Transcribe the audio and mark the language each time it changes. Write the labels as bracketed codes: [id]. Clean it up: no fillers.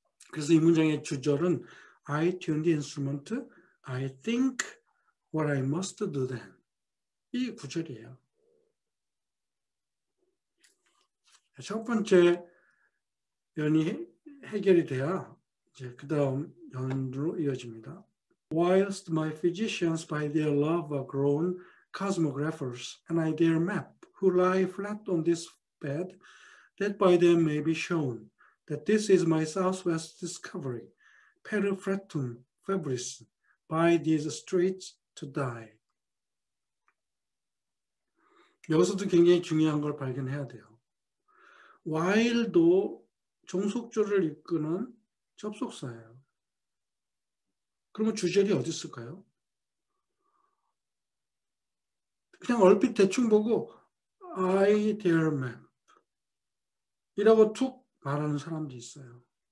[ko] 그래서 이 문장의 주절은 [en] I tune the instrument, I think what I must do then. [ko] 이 구절이에요. 첫 번째 연이 해결이 돼야 이제 그 다음 연으로 이어집니다. [en] Whilst my physicians by their love are grown cosmographers, and I their map, who lie flat on this bed, that by them may be shown that this is my southwest discovery, per fretum febris, by these streets to die. [ko] 여기서도 굉장히 중요한 걸 발견해야 돼요. while도 종속조를 이끄는 접속사예요. 그러면 주절이 어디 있을까요? 그냥 얼핏 대충 보고 [en] I dear map [ko] 이라고 툭 말하는 사람도 있어요.